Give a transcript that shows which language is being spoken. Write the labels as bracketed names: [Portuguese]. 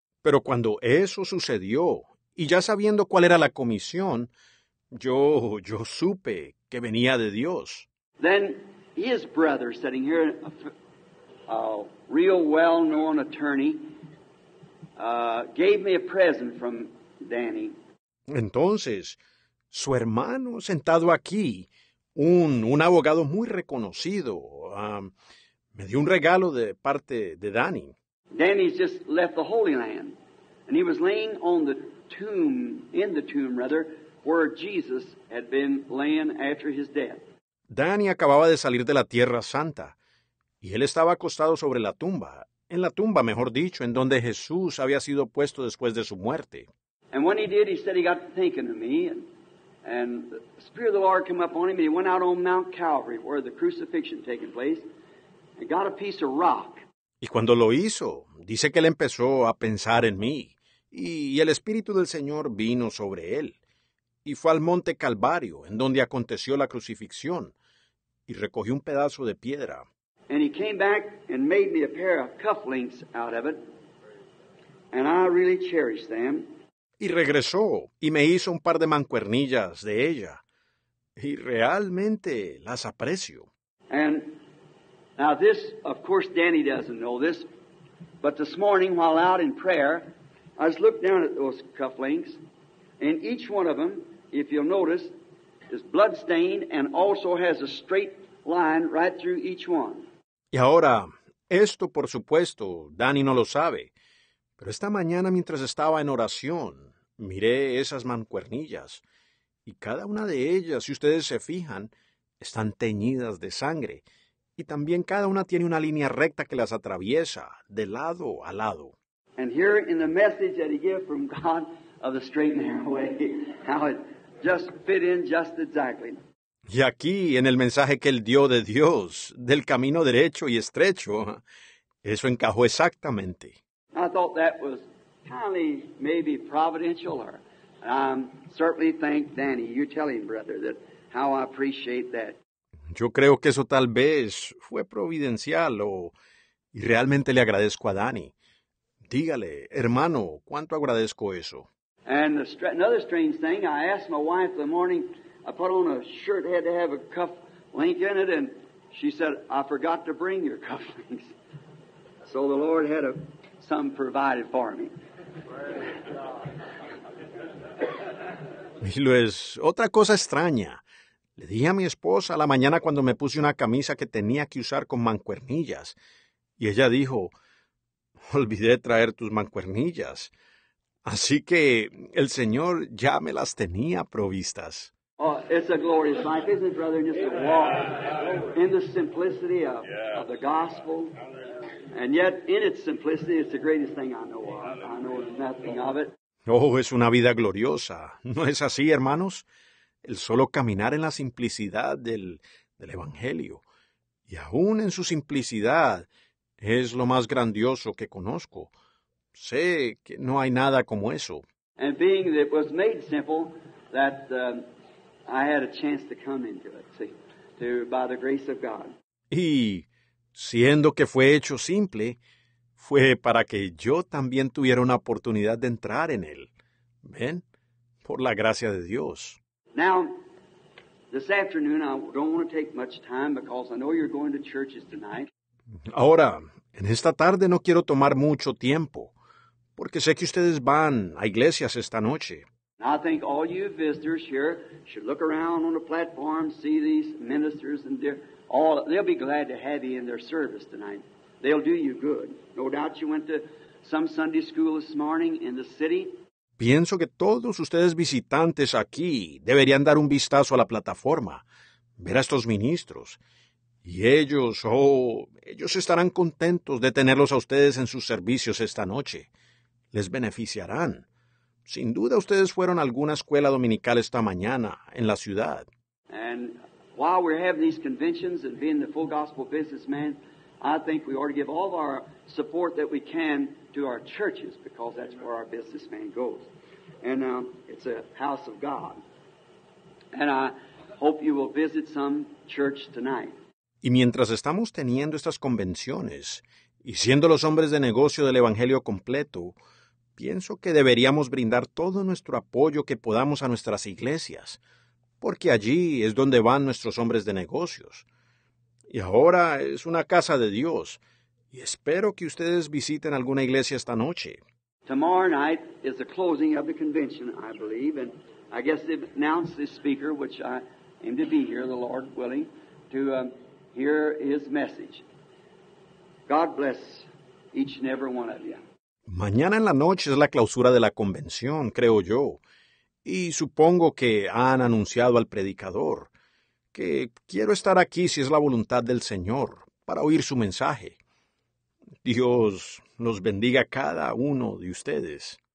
[Spanish] Pero cuando eso sucedió, y ya sabiendo cuál era la comisión, yo supe que venía de Dios. [English] Then his brother sitting here, a real well-known attorney, gave me a present from Danny. [Spanish] Entonces, su hermano sentado aquí, un abogado muy reconocido, me dio un regalo de parte de Danny. [English] Danny's just left the Holy Land, and he was laying on the tomb, in the tomb rather, where Jesus had been laying after his death. [Spanish] Danny acababa de salir de la Tierra Santa, y él estaba acostado sobre la tumba. En la tumba, mejor dicho, en donde Jesús había sido puesto después de su muerte. [English] And when he did, he said he got to thinking of me, and the Spirit of the Lord came up on him, and he went out on Mount Calvary, where the crucifixion taking place, and got a piece of rock. [Spanish] Y cuando lo hizo, dice que él empezó a pensar en mí, y el Espíritu del Señor vino sobre él, y fue al Monte Calvario, en donde aconteció la crucifixión, y recogió un pedazo de piedra. [English] And he came back and made me a pair of cufflinks out of it, and I really cherished them. [Spanish] Y regresó y me hizo un par de mancuernillas de ella, y realmente las aprecio. [English] And now this, of course, Danny doesn't know this, but this morning while out in prayer, I just looked down at those cufflinks, and each one of them, if you'll notice, is bloodstained and also has a straight line right through each one. [Spanish] Y ahora, esto por supuesto, Danny no lo sabe, pero esta mañana mientras estaba en oración, miré esas mancuernillas, y cada una de ellas, si ustedes se fijan, están teñidas de sangre, y también cada una tiene una línea recta que las atraviesa, de lado a lado. [English] And here in the message that he gave from God of the straight and narrow way, how it just fit in just exactly. [Spanish] Y aquí, en el mensaje que él dio de Dios, del camino derecho y estrecho, eso encajó exactamente. [English] I thought that was kindly, maybe providential, or certainly thank Danny. You tell him, brother, that how I appreciate that. [Spanish] Yo creo que eso tal vez fue providencial, y realmente le agradezco a Danny. Dígale, hermano, cuánto agradezco eso. [English] And another strange thing, I asked my wife the morning, I put on a shirt, had to have a cuff link in it, and she said, I forgot to bring your cuff links. So the Lord had some provided for me. [Spanish] Y lo es otra cosa extraña. Le dije a mi esposa a la mañana cuando me puse una camisa que tenía que usar con mancuernillas, y ella dijo, olvidé traer tus mancuernillas. Así que el Señor ya me las tenía provistas. [English] Oh, it's a glorious life, isn't it, brother? Just to walk in the simplicity of the gospel. And yet, in its simplicity, it's the greatest thing I know of. I know nothing of it. [Spanish] Oh, es una vida gloriosa. ¿No es así, hermanos? el solo caminar en la simplicidad del Evangelio. Y aún en su simplicidad es lo más grandioso que conozco. Sé que no hay nada como eso. [English] And being that it was made simple, that I had a chance to come into it, see, to, by the grace of God. [Spanish] Y siendo que fue hecho simple, fue para que yo también tuviera una oportunidad de entrar en él. ¿Ven? Por la gracia de Dios. [English] Now, this afternoon, I don't want to take much time because I know you're going to churches tonight. [Spanish] Ahora, en esta tarde no quiero tomar mucho tiempo, porque sé que ustedes van a iglesias esta noche. [English] I think all you visitors here should look around on the platform, see these ministers, and they'll be glad to have you in their service tonight. They'll do you good. No doubt you went to some Sunday school this morning in the city. [Spanish] Pienso que todos ustedes visitantes aquí deberían dar un vistazo a la plataforma, ver a estos ministros. Y ellos estarán contentos de tenerlos a ustedes en sus servicios esta noche. Les beneficiarán. Sin duda ustedes fueron a alguna escuela dominical esta mañana en la ciudad. [English] And while we're having these conventions and being the full gospel businessman, I think we ought to give all of our support that we can to our churches, because that's where our businessman goes. And it's a house of God. And I hope you will visit some church tonight. [Spanish] Y mientras estamos teniendo estas convenciones y siendo los hombres de negocio del Evangelio completo, pienso que deberíamos brindar todo nuestro apoyo que podamos a nuestras iglesias, porque allí es donde van nuestros hombres de negocios. Y ahora es una casa de Dios, y espero que ustedes visiten alguna iglesia esta noche. [English] Tomorrow night is the closing of the convention, I believe, and I guess they've announced this speaker, which I aim to be here, the Lord willing, to hear his message. God bless each and every one of you. [Spanish] Mañana en la noche es la clausura de la convención, creo yo, y supongo que han anunciado al predicador que quiero estar aquí si es la voluntad del Señor para oír su mensaje. Dios los bendiga a cada uno de ustedes.